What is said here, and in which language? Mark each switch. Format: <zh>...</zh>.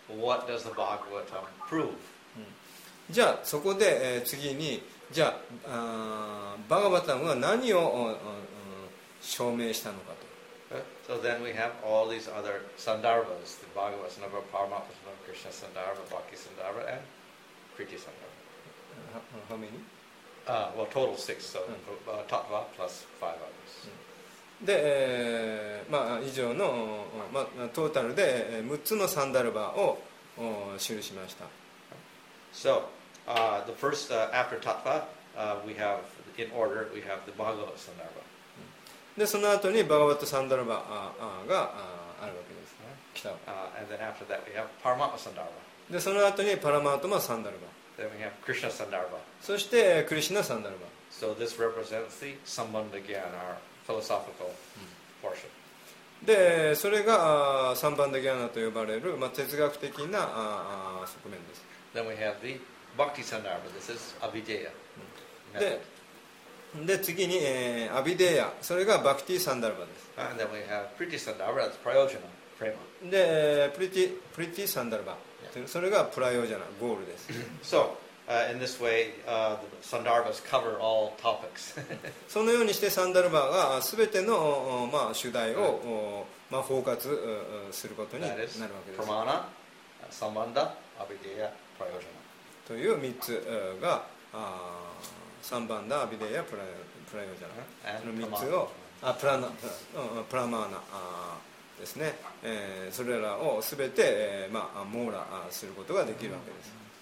<en>So、then, what does the Bhagavatam prove?</en> <ja>じゃあそこで次にじゃあバガバタムは何を証明したのかと。</ja> <en>So then we have all these other sandarbhas, the Bhagavata sandarbha, Paramahamsa sandarbha, Krishna sandarbha, Bhakti sandarbha, and Kriti sandarbha. How many? Well, total six. So Tattva plus five others.</en> <ja>で、まあ以上のまあトータルで6つのサンダルバを記しました。</ja> <en>So the first after Tattva, we have in order we have the Bhagavata sandarbha.</en> <ja>でその後にバガバットサンダルバがあるわけですね。来たわけ。</ja> <en>And then after that we have Paramatma Sandarbha.</en> <ja>でその後にパラマートマサンダルバ。</ja> <en>Then we have Krishna Sandarbha.</en> <ja>そしてクリシナサンダルバ。</ja> <en>So this represents the Sambandha Gyana, our philosophical portion.</en> <ja>でそれがサンバンダギャナと呼ばれる、まあ、哲学的な側面です。</ja> <en>Then we have the Bhakti Sandarbha. This is Avideya method.</en> <ja>でで次に、アビデヤ、それがバクティサンダルバです。</ja> <en>And then we have Priti Sandarbha, that's Prayojana, Prema.</en> <ja>で、Priti Sandarbha、それがプライオジャナ、ゴールです。</ja> <en>So, in this way, the Sandarbhas cover all topics.</en> <ja>そのようにしてサンダルバが全ての、まあ、主題を、</ja> <en>right.</en> <ja>まあ、包括することになるわけです。</ja> <en>Pramana, Sambandha, Abideya, Prayojana.</en> <ja>という3つが、サンバンダ、アビデヤ、プラヨジャナ、その3つをプラマーナですね、それらをすべて、まあ、網羅することができるわけです。</ja>